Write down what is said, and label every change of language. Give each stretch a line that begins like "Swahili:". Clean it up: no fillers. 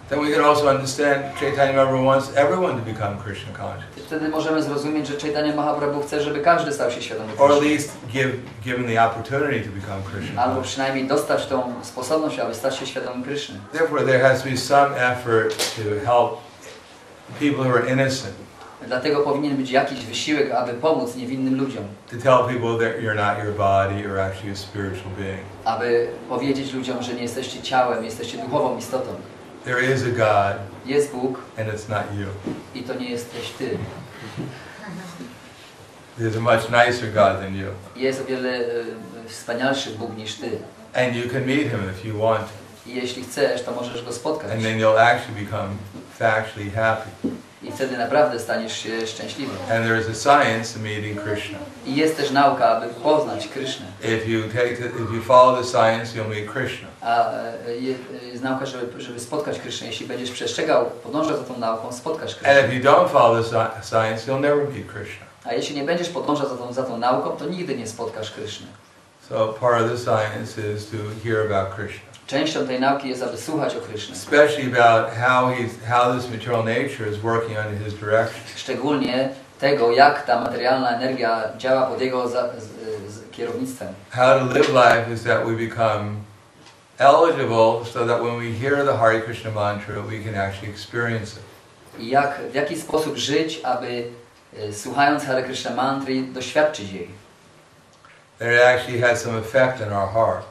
English: then we can also understand Chaitanya Mahaprabhu wants everyone to become Krishna conscious.
Polish: Wtedy możemy zrozumieć, że Chaitanya Mahaprabhu chce, żeby każdy stał się świadomy Krishna.
English: Or at least given the opportunity to become Krishna conscious.
Polish: Albo przynajmniej dostać tą sposobność, aby stać się świadomym Krishna.
English: Therefore, there has to be some effort to help people who are innocent.
Polish: Dlatego powinien być jakiś wysiłek, aby pomóc niewinnym ludziom.
English: To tell people that you're not your body, you're actually a spiritual being.
Polish: Aby powiedzieć ludziom, że nie jesteście ciałem, jesteście duchową istotą.
English: There is a God.
Polish: Jest Bóg.
English: And it's not you.
Polish: I to nie jesteś ty.
English: There's a much nicer God than you.
Polish: Jest o wiele wspanialszy Bóg niż ty.
English: And you can meet him if you want.
Polish: I jeśli chcesz, to możesz go spotkać.
English: And then you'll actually become factually happy.
Polish: I wtedy naprawdę staniesz się szczęśliwy.
English: And there is a science to meeting Krishna.
Polish: I jest też nauka, aby poznać Krishna.
English: If you follow the science, you'll meet Krishna.
Polish: Jest nauka, żeby spotkać Krishna. Jeśli będziesz przestrzegał, podążał za tą nauką, spotkasz Krishna.
English: And if you don't follow the science, you'll never meet Krishna.
Polish: A jeśli nie będziesz podążał za tą nauką, to nigdy nie spotkasz Krishna.
English: So part of the science is to hear about Krishna.
Polish: Częścią tej nauki jest, aby słuchać o Krishna.
English: Especially about how this material nature is working under his direction.
Polish: Szczególnie tego, jak ta materialna energia działa pod jego kierownictwem.
English: How to live life is that we become eligible so that when we hear the Hare Krishna mantra, we can actually experience it.
Polish: W jaki sposób żyć, aby słuchając Hare Krishna mantry doświadczyć jej.
English: That it actually has some effect on our heart.